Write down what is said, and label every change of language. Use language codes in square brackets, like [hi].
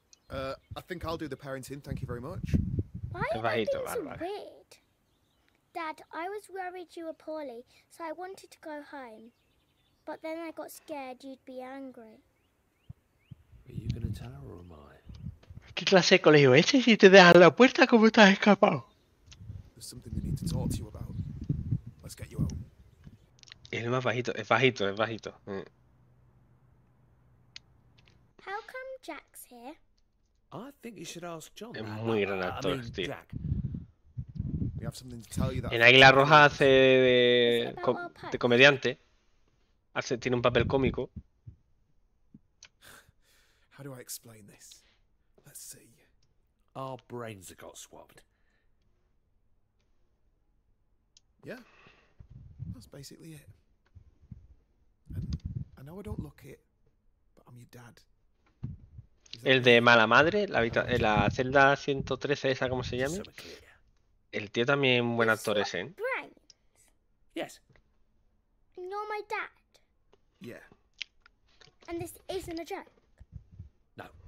[en] I think I'll do the parenting, thank you very much. Why are you being so weird? Dad, I was worried you were poorly, so I wanted to go home. But then I got scared you'd be angry. Are you gonna tell her or am I? [es] ¿Qué clase de colegio es ese si te dejas la puerta como te has escapado? [en] There's something we need to talk to you about. Let's get you out. [es] Es más bajito, es bajito, es bajito. [en] How come Jack's here? I think you should ask John. [es] Es muy gran actor, [en] I mean, [es] tío. [en] Jack, we have something to tell you that. [es] En Águila Roja hace de comediante. Tiene un papel cómico. [en] How do I explain this? Let's see. Our brains have got swapped. Yeah. That's basically it. And I know I don't look it, but I'm your dad. [es] El de Mala Madre, la celda 113, esa como se llame. El tío también buen actor ese, ¿eh? [en] Yes. No, my dad. Yeah. And this isn't a joke. No.